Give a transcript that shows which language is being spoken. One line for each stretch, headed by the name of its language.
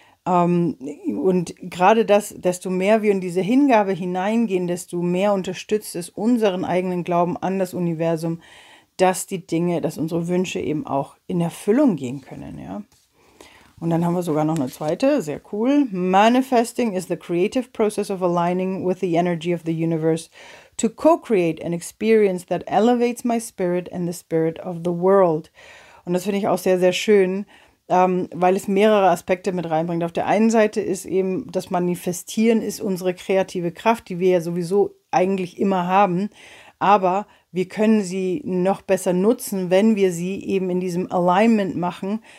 German: Und gerade das, desto mehr wir in diese Hingabe hineingehen, desto mehr unterstützt es unseren eigenen Glauben an das Universum, dass die Dinge, dass unsere Wünsche eben auch in Erfüllung gehen können, ja. Und dann haben wir sogar noch eine zweite, sehr cool.
English: Manifesting is the creative process of aligning with the energy of the universe to co-create an experience that elevates my spirit and the spirit of the world.
German: Und das finde ich auch sehr, sehr schön, weil es mehrere Aspekte mit reinbringt. Auf der einen Seite ist eben das Manifestieren ist unsere kreative Kraft, die wir ja sowieso eigentlich immer haben. Aber wir können sie noch besser nutzen, wenn wir sie eben in diesem Alignment machen.